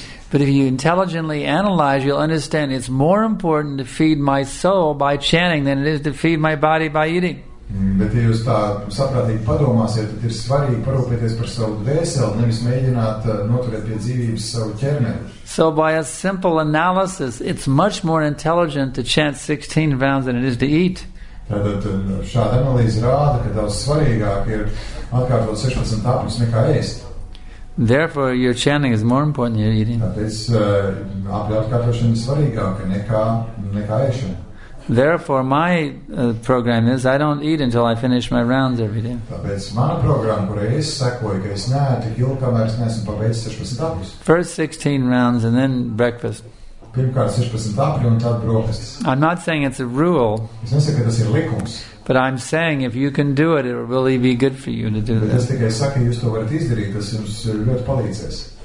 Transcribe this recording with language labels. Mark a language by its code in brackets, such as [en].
[en] But if you intelligently analyze, you'll understand it's more important to feed my soul by chanting than it is to feed my body by eating. [lv] Bet ja jūs tā saprātīgi padomāsiet, tad ir svarīgi parūpēties par savu dvēseli, nevis mēģināt noturēt pie dzīvības savu ķermeni. [en] So by a simple analysis, it's much more intelligent to chant 16 rounds than it is to eat. [lv] Tātad šāda analīze rāda, ka daudz svarīgāk ir atkārtot 16 tapus nekā ēst. [en] Therefore, your chanting is more important than your eating. [lv] Tāpēc atkārtošana ir svarīgāka nekā ēšana. [en] Therefore, my program is I don't eat until I finish my rounds every day. First 16 rounds and then breakfast. I'm not saying it's a rule, but I'm saying if you can do it, it will really be good for you to do that.